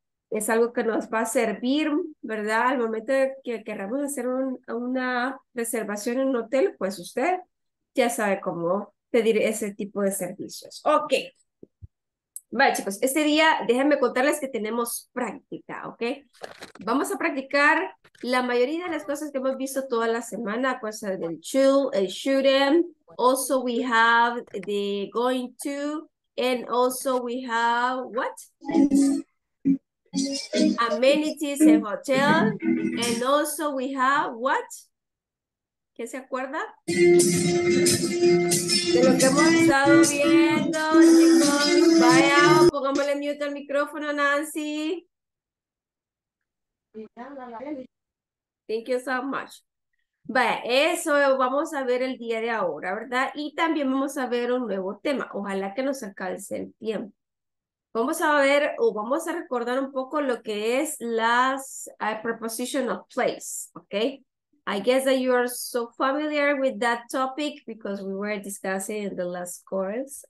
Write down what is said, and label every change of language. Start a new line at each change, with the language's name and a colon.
Spanish: Es algo que nos va a servir, ¿verdad? Al momento que queramos hacer una reservación en un hotel, pues usted ya sabe cómo pedir ese tipo de servicios. Ok. Vale, chicos, este día déjenme contarles que tenemos práctica, ¿ok? Vamos a practicar la mayoría de las cosas que hemos visto toda la semana, cosas del chill, el shooting.
English: Also, we have the going to, and also we have what? Amenities and hotel, and also we have what?
Spanish: ¿Quién se acuerda? De lo que hemos estado viendo, chicos. Vaya, pongámosle mute al micrófono, Nancy.
English: Thank you so much.
Spanish: Vaya, eso vamos a ver el día de ahora, ¿verdad? Y también vamos a ver un nuevo tema. Ojalá que nos alcance el tiempo. Vamos a ver o vamos a recordar un poco lo que es las preposition of place, ¿ok?
English: I guess that you are so familiar with that topic because we were discussing in the last course.